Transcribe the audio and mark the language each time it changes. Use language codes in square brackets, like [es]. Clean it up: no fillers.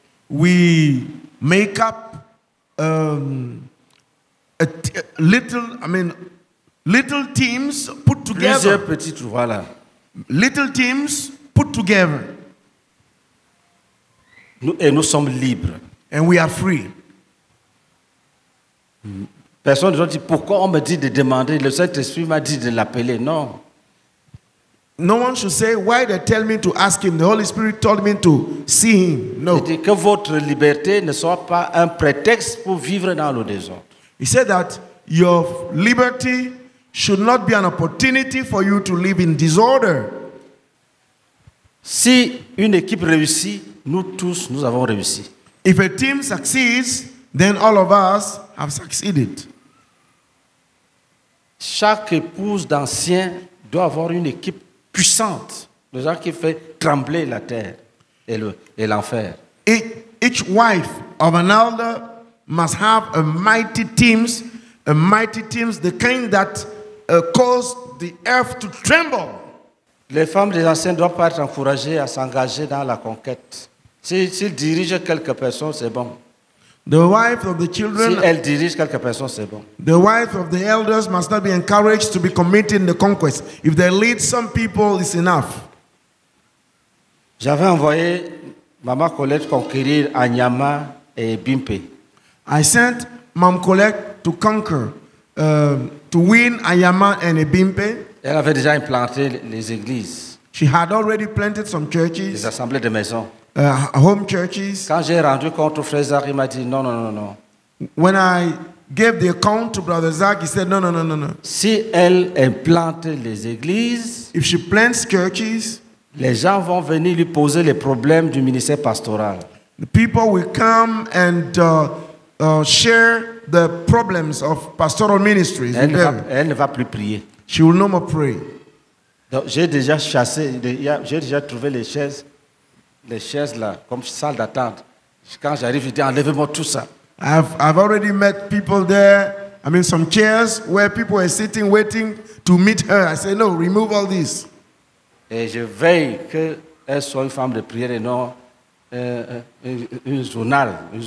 [en] We make up little teams put together. [fr] Plusieurs petits troupeaux, voilà. [en] Little teams put together. [fr] Nous sommes libres. [en] And we are free. [fr] Personne ne dit pourquoi on me dit de demander. Le Saint-Esprit m'a dit de l'appeler. Non. [en] No one should say why they tell me to ask him. The Holy Spirit told me to see him. No. [fr] Il dit que votre liberté ne soit pas un prétexte pour vivre dans le désordre. [en] He said that your liberty should not be an opportunity for you to live in disorder. [fr] Si une équipe réussit, nous tous, nous avons réussi. [en] If a team succeeds, then all of us have succeeded. [fr] Chaque épouse d'ancien doit avoir une équipe puissante, des gens qui fait trembler la terre et l'enfer. [en] Each wife of an elder must have a mighty team, the kind that cause the earth to tremble. [fr] Les femmes des anciens doivent pas être encouragées à s'engager dans la conquête. S'ils dirigent quelques personnes, c'est bon. [en] The wife of the children. [fr] Si elle dirige quelques personnes, c'est bon. [en] The wife of the elders must not be encouraged to be committing the conquest. If they lead some people, it's enough. [fr] J'avais envoyé Mama Colette conquérir Anyama et Bimpe. [en] I sent Mam Colette to conquer, to win Anyama and Bimpe. [fr] Elle avait déjà implanté les églises. [en] She had already planted some churches. [fr] Les assemblées de maisons. [en] Home churches. [fr] Quand j'ai rendu compte au frère Zach, il m'a dit non, non, non, non. [en] When I gave the account to brother Zach, he said no, no, no, no, no. [fr] Si elle implante les églises, [en] if she plants churches, [fr] les gens vont venir lui poser les problèmes du ministère pastoral. [en] The people will come and share the problems of pastoral ministries. [fr] Elle ne va plus prier. [en] She will no more pray. [fr] Donc, j'ai déjà trouvé les chaises. Les chaises là, comme salle d'attente. Quand j'arrive, je dis, enlevez-moi tout ça. [en] I've already met people there. I mean, some chairs where people are sitting, waiting to meet her. I say, no, remove all this. [fr] Et je veille qu'elle soit une femme de prière et non une zonale.